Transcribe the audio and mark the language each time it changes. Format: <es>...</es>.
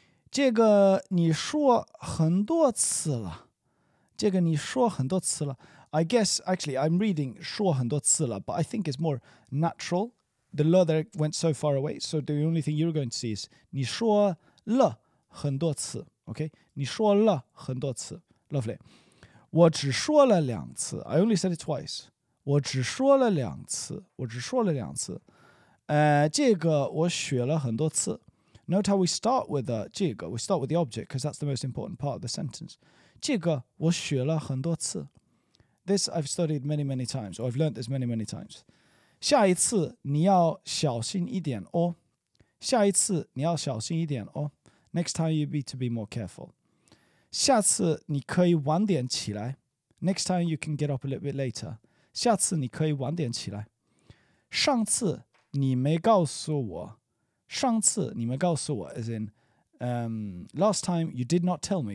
<zh>这个你说很多次了。这个你说很多次了。</zh> <en>I guess, actually, I'm reading</en> <zh>说很多次了,</zh> <en>but I think it's more natural. The 了 that went so far away, so the only thing you're going to see is</en> <zh>你说了很多次,</zh> <en>okay?</en> <zh>你说了很多次, lovely. 我只说了两次,</zh> <en>I only said it twice.</en> <zh>我只说了两次, 我只说了两次。这个我学了很多次。</zh> <en>Note how we start with the 这个, we start with the object because that's the most important part of the sentence.</en> <zh>这个我学了很多次。</zh> <en>This I've studied many, many times, or I've learned this many, many times.</en> <zh>下一次你要小心一点哦。下一次你要小心一点哦。</zh> <en>Next time you need to be more careful.</en> <zh>下次你可以晚点起来。</zh> <en>Next time you can get up a little bit later.</en> <zh>下次你可以晚点起来。上次你没告诉我。上次你们告诉我</zh> <en>as in, last time you did not tell me.</en>